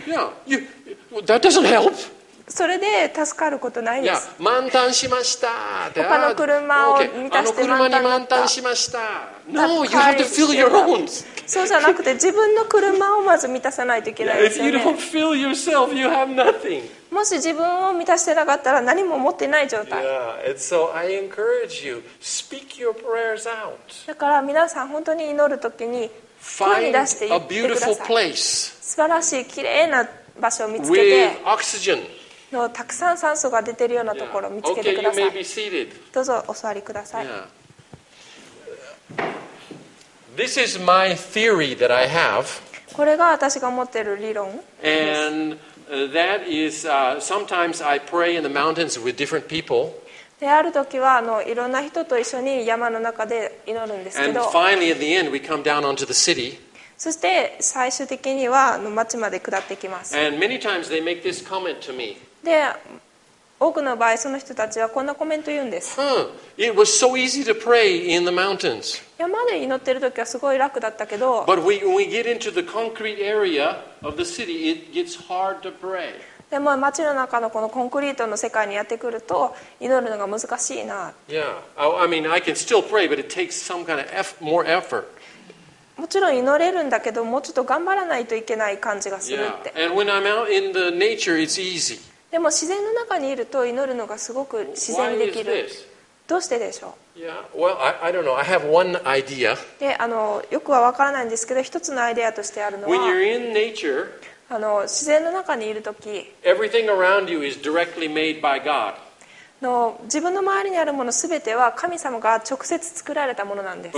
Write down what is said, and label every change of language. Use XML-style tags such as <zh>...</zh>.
<en>Yeah, yeah. That doesn't help.</en> <ja>それで助かることないです。 Yeah, 満タンしました。他の車を満たして満タン。満タンしました。</ja> <en>No, you have to fill your own.</en> <ja>そうじゃなくて自分の車をまず満たさないといけないですよね。</ja> <en>Yeah, if you don't fill yourself, you have nothing.</en> <ja>もし自分を満たしてなかったら何も持ってない状態。</ja> <en>Yeah, so、I encourage you, speak your prayers out.</en> <ja>だから皆さん本当に祈るときに声に出して言ってください。</ja> <en>A beautiful place.</en> <ja>素晴らしい綺麗な場所を見つけて。</ja> <en>With oxygen.</en> <ja>のたくさん酸素が出てるようなところを見つけてください。</ja> <en>Yeah. Okay, you may be seated.</en> <ja>どうぞお座りください。</ja> <en>Yeah. This is my theory that I have.</en> <ja>これが私が持っている理論です。</ja> <en>And that is, sometimes I pray in the mountains with different people.</en> <ja>である時はいろんな人と一緒に山の中で祈るんですけど。</ja> <en>And finally at the end we come down onto the city.</en> <ja>そして最終的には町まで下ってきます。</ja> <en>And many times they make this comment to me.</en> <ja>で、多くの場合その人たちはこんなコメントを言うんです。 Huh.</ja> <en>It was so easy to pray in the mountains.</en> <ja>山で祈ってる時はすごい楽だったけど。</ja> <en>But when we get into the concrete area of the city, it gets hard to pray.</en> <ja>でも町の中のこのコンクリートの世界にやってくると祈るのが難しいな。</ja> <en>Yeah. I mean, I can still pray, but it takes some kind of more effort.</en> <ja>もちろん祈れるんだけどもうちょっと頑張らないといけない感じがするって、</ja> <en>yeah. And when I'm out in the nature, it's easy.</en> <ja>でも自然の中にいると祈るのがすごく自然にできる。</ja> <en>Why is this?</en> <ja>どうしてでしょう、</ja> <en>yeah. Well, I don't know. I have one idea.</en> <ja>でよくは分からないんですけど一つのアイデアとしてあるのは</ja> <en>when you're in nature,</en> <ja>自然の中にいるとき</ja> <en>everything around you is directly made by God.</en> <ja>自分の周りにあるものすべては神様が直接作られたものなんです。</ja>